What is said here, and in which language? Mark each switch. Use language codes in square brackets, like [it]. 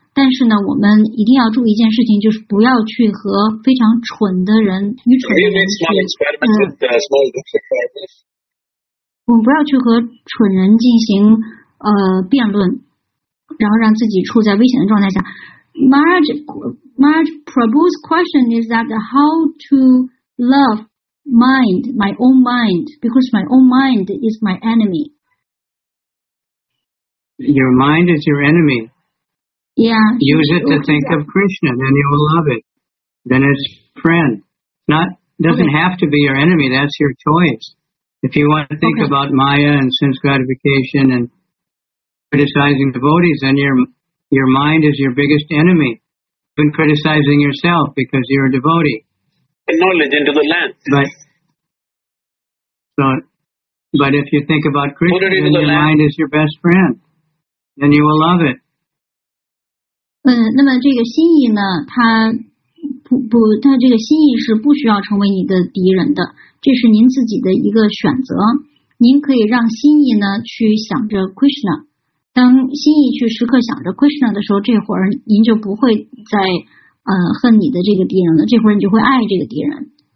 [zh] 但是呢，我们一定要注意一件事情，就是不要去和非常蠢的人、愚蠢的人我们不要去和蠢人进行辩论，然后让自己处在危险的状态下。 [en] Maharaj Prabhu's question is that how to love mind, my own mind, because my own mind is my enemy. Your mind is your enemy. Yeah. Use it to think of Krishna, then you will love it. Then it's friend. Doesn't have to be your enemy, that's your choice. If you want to think about Maya and sense gratification and criticizing devotees, then your mind is your biggest enemy. Even criticizing yourself because you're a devotee. And knowledge into the land. But if you think about Krishna, then your mind is your best friend. Then you will love it. [zh] 那么这个心意呢，它这个心意是不需要成为你的敌人的。这是您自己的一个选择，您可以让心意呢去想着 Krishna， 当心意去时刻想着 Krishna 的时候，这会儿您就不会再恨你的这个敌人了，这会儿你就会爱这个敌人。